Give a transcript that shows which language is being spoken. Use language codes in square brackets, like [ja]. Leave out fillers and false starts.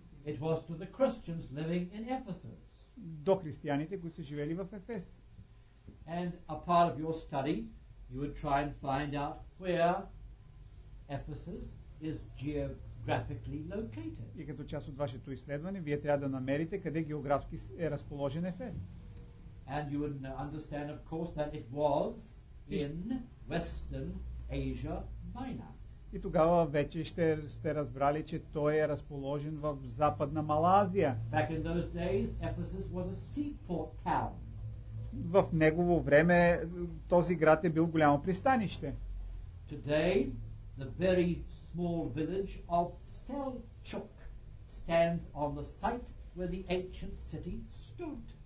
[en] It was to the Christians living in Ephesus. [bg] До християните, които са живели в Ефес. [en] And a part of your study, you would try and find out where Ephesus is geographically located. [bg] И като част от вашето изследване, вие трябва да намерите къде географски е разположен Ефес. [en] And you would understand, of course, that it was in Western Asia Minor. [bg] И тогава вече ще сте разбрали, че той е разположен в Западна Малазия. [en] Back in those days, Ephesus was a seaport town. [bg] В негово време този град е бил голямо пристанище. [en] Today, the very small village of Selçuk stands on the site where the ancient city stood.